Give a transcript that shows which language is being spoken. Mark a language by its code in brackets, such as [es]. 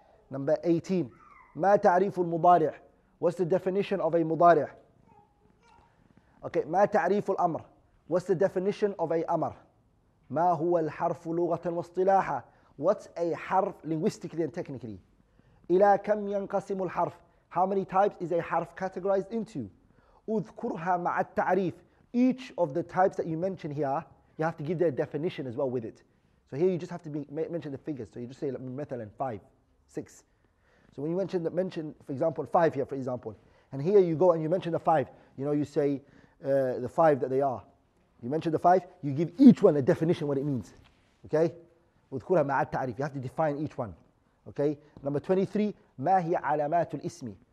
[en] Number 18, [ar] ما تعريف المضارع? [en] What's the definition of a مضارع? Okay, [ar] ما تعريف الأمر? [en] What's the definition of a أمر? [ar] ما هو الحرف لغة واصطلاحة? [en] What's a حرف linguistically and technically? [ar] إلى كم ينقسم الحرف? [en] How many types is a حرف categorized into? [ar] أذكرها مع التعريف. [en] Each of the types that you mention here, you have to give their definition as well with it. So here you just have to mention the figures. So you just say, [ar] مثلا, [en] five, six. So when you mention, for example, five here, for example, and here you go and you mention the five, you know, you say the five that they are. You mention the five, you give each one a definition what it means. Okay? [ar] أذكرها مع التعريف. [en] You have to define each one. Okay? Number 23, [ar] ما هي علامات الاسم?